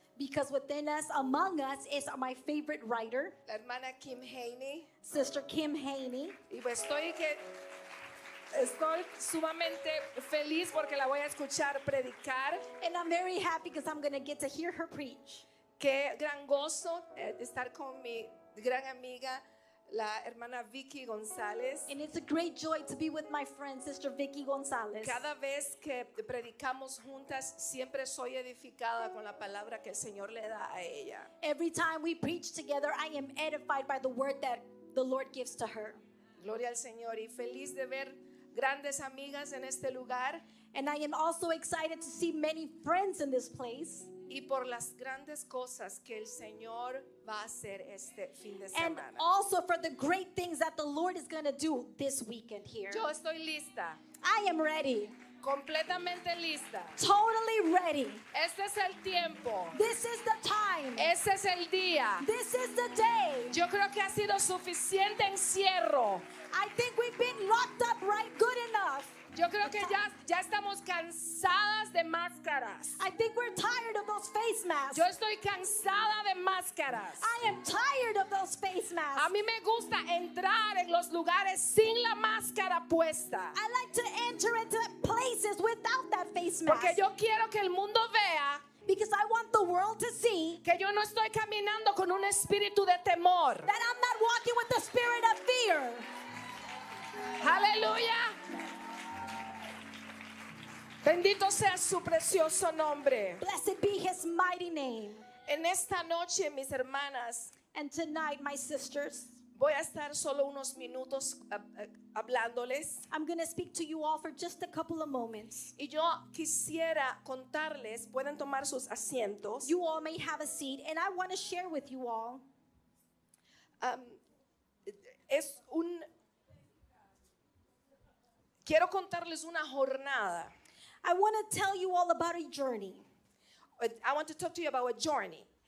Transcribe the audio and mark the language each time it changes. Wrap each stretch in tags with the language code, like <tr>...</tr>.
<en>Because within us, among us, is my favorite writer.</en> <es>La hermana Kim Haney.</es> <en>Sister Kim Haney.</en> <es>Y pues estoy sumamente feliz porque la voy a escuchar predicar.</es> <en>And I'm very happy because I'm going to get to hear her preach.</en> <es>Qué gran gozo estar con mi gran amiga, la hermana Vicky González.</es> <en>And it's a great joy to be with my friend, Sister Vicky González.</en> <es>Cada vez que predicamos juntas, siempre soy edificada con la palabra que el Señor le da a ella.</es> <en>Every time we preach together, I am edified by the word that the Lord gives to her.</en> <es>Gloria al Señor y feliz de ver grandes amigas en este lugar.</es> <en>And I am also excited to see many friends in this place.</en> <es>Y por las grandes cosas que el Señor va a hacer este fin de semana.</es> <en>And also for the great things that the Lord is going to do this weekend here.</en> <es>Yo estoy lista.</es> <en>I am ready.</en> <es>Completamente lista.</es> <en>Totally ready.</en> <es>Este es el tiempo.</es> <en>This is the time.</en> <es>Este es el día.</es> <en>This is the day.</en> <es>Yo creo que ha sido suficiente encierro.</es> <en>I think we've been locked up right good enough.</en> <es>Yo creo que ya estamos cansadas de máscaras.</es> <en>I think we're tired of those face masks.</en> <es>Yo estoy cansada de máscaras.</es> <en>I am tired of those face masks.</en> <es>A mí me gusta entrar en los lugares sin la máscara puesta.</es> <en>I like to enter into places without that face mask.</en> <es>Porque yo quiero que el mundo vea.</es> <en>Because I want the world to see</en> <es>que yo no estoy caminando con un espíritu de temor.</es> <en>That I'm not walking with the spirit of fear. Hallelujah.</en> <es>Bendito sea su precioso nombre.</es> <en>Blessed be his mighty name.</en> <es>En esta noche, mis hermanas,</es> <en>and tonight, my sisters,</en> <es>voy a estar solo unos minutos hablándoles.</es> <en>I'm going to speak to you all for just a couple of moments.</en> <es>Y yo quisiera contarles, pueden tomar sus asientos.</es> <en>You all may have a seat, and I want to share with you all.</en> <es>Quiero contarles una jornada.</es> <en>I want to tell you all about a journey. I want to talk to you about a journey.</en>